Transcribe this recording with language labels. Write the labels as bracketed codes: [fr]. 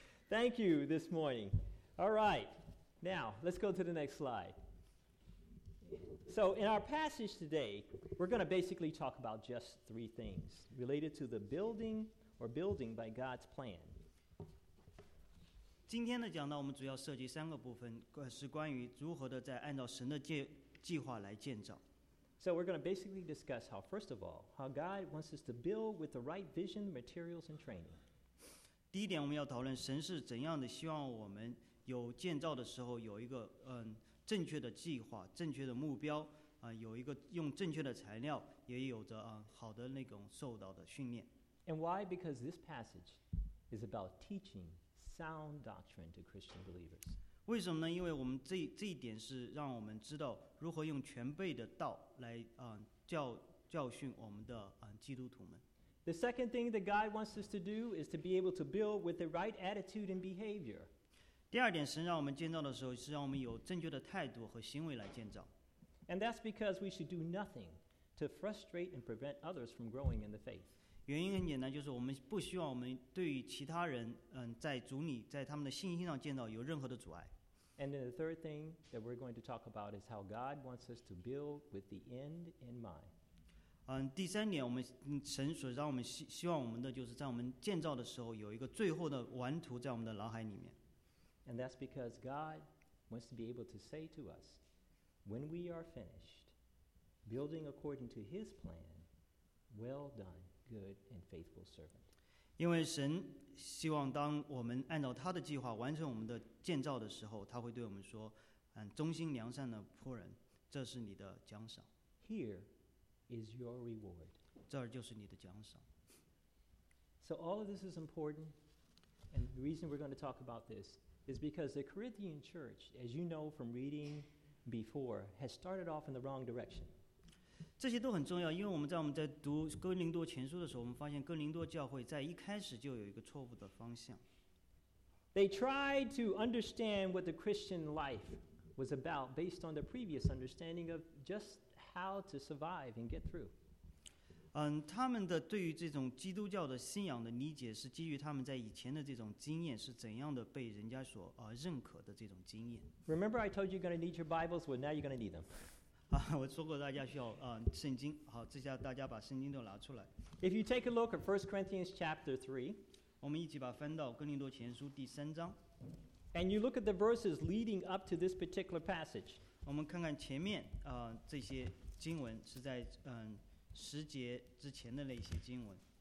[en] Thank you this morning. All right. Now, let's go to the next slide. So in our passage today, we're going to basically talk about just three things related to the building or building by God's plan. [zh] 今天的讲道我们主要涉及三个部分，是关于如何的在按照神的计划来建造。 [en] So we're going to basically discuss how, first of all, how God wants us to build with the right vision, materials, and training. [zh] 第一点我们要讨论神是怎样的希望我们有建造的时候有一个正确的计划、正确的目标，有一个用正确的材料，也有着好的那种受到的训练。 [en] And why? Because this passage is about teaching sound doctrine to Christian believers. [zh] 为什么呢？因为我们这一点是让我们知道如何用全备的道来教训我们的基督徒们。 [en] The second thing that God wants us to do is to be able to build with the right attitude and behavior. [zh] 第二点，神让我们建造的时候是让我们有正确的态度和行为来建造。 [en] And that's because we should do nothing to frustrate and prevent others from growing in the faith. [zh] 原因很简单，就是我们不希望我们对于其他人，在主里，在他们的信心上建造有任何的阻碍。 [en] And then the third thing that we're going to talk about is how God wants us to build with the end in mind. [zh] 第三点，我们神所让我们希望我们的，就是在我们建造的时候有一个最后的蓝图在我们的脑海里面。 [en] And that's because God wants to be able to say to us, when we are finished, building according to His plan, well done. Good and faithful servant. [zh] 因为神希望当我们按照他的计划完成我们的建造的时候，他会对我们说，忠心良善的仆人，这是你的奖赏。 [en] Here is your reward. [zh] 这就是你的奖赏。 [en] So all of this is important, and the reason we're going to talk about this is because the Corinthian church, as you know from reading before, has started off in the wrong direction. [zh] 这些都很重要，因为我们在读哥林多前书的时候，我们发现哥林多教会在一开始就有一个错误的方向。 [en] They tried to understand what the Christian life was about based on the previous understanding of just how to survive and get through. [zh] 他们的对于这种基督教的信仰的理解是基于他们在以前的这种经验是怎样的被人家所认可的这种经验。 [en] Remember, I told you you're going to need your Bibles. Well, now you're going to need them. [zh] 我说过大家需要圣经，好，这下大家把圣经都拿出来。 [en] If you take a look at 1 Corinthians chapter 3, [zh] 我们一起把翻到哥林多前书第三章。 [en] And you look at the verses leading up to this particular passage. [zh] 我们看看前面这些经文是在十节之前的那些经文。